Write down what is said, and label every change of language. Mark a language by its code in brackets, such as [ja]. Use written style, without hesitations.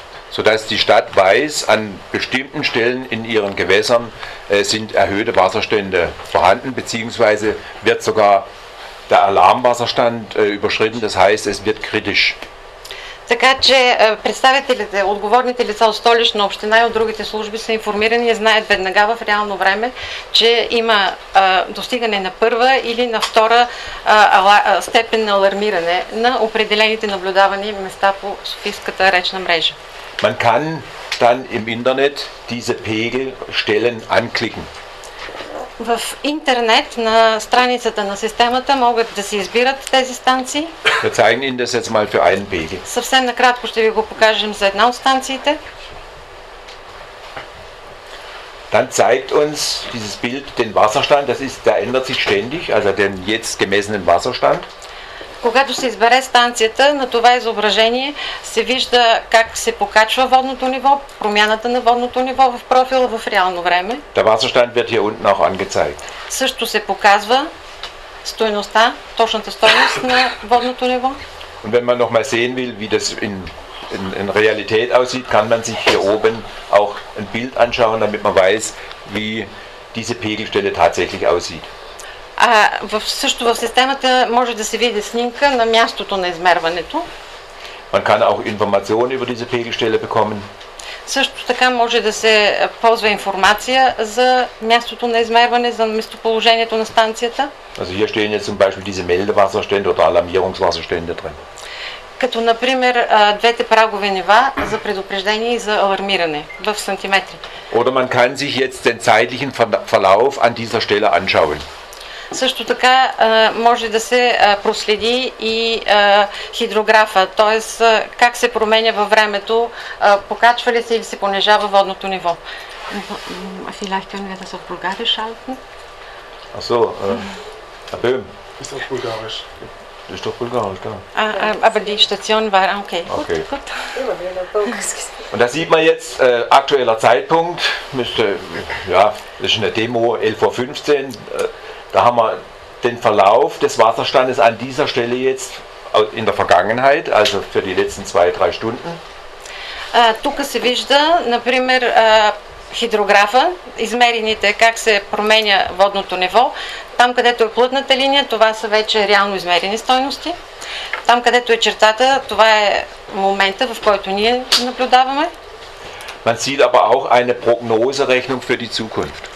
[de] So dass die Stadt weiß, an bestimmten Stellen in ihren Gewässern sind erhöhte Wasserstände vorhanden, beziehungsweise wird sogar der Alarmwasserstand überschritten, das heißt, es wird kritisch. [bg] Така че представителите, отговорните лица от Столична община и от другите служби са информирани и знаят веднага в реално време, че има достигане на първа или на втора степен на алармиране на определените наблюдавани места по Софийската речна мрежа. [de] Man kann dann im Internet diese Pegelstellen anklicken. [bg] В интернет на страницата на системата могат да се избират тези станции. [de] Wir zeigen Ihnen das jetzt mal für einen Pegel. [bg] Съвсем накратко ще ви го покажем за една от станциите. [de] Dann zeigt uns dieses Bild den Wasserstand, das ist, der ändert sich ständig, also den jetzt gemessenen Wasserstand. [bg] Когато се избере станцията, на това изображение се вижда как се покачва водното ниво, промяната на водното ниво в профила в реално време. [de] Der Wasserstand wird hier unten auch angezeigt. [bg] Също се показва стойността, точната стойност на водното ниво. [de] Und wenn man noch mal sehen will, wie das in Realität aussieht, kann man sich hier oben auch ein Bild anschauen, damit man weiß, wie diese Pegelstelle tatsächlich aussieht. [bg] Също в системата може да се види снимка на мястото на измерването. [de] Man kann auch Informationen über diese Pegelstelle bekommen. [bg] Също така може да се ползва информация за мястото на измерване, за местоположението на станцията. [de] Also hier stehen jetzt zum Beispiel diese Meldewasserstände oder Alarmierungswasserstände drin. [bg] Като например двете прагови нива за предупреждение и за алармиране в сантиметри. [de] Oder man kann sich jetzt den zeitlichen Verlauf an dieser Stelle anschauen. [bg] Също така може да се проследи и хидрографа, т.е. как се променя във времето, покачва ли се или се понижава водното ниво. [de] Vielleicht können wir das auf Bulgarisch schalten. Ach so, Herr Böhm. Ist auf Bulgarisch. Ist doch Bulgarisch, klar. Aber die Station war, okay. Okay. Und da sieht man jetzt aktueller Zeitpunkt, müsste, ja, das ist eine Demo, 11.15 Uhr. Da haben wir den Verlauf des Wasserstandes an dieser Stelle jetzt in der Vergangenheit, also für die letzten zwei, drei Stunden. [bg] Тук се вижда, например, хидрографа, измерените как се променя водното ниво. Там, където е плътната линия, това са вече реално измерени стойности. Там, където е чертата, това е момента, в който ние наблюдаваме. [de] Man sieht aber auch eine Prognoserechnung für die Zukunft.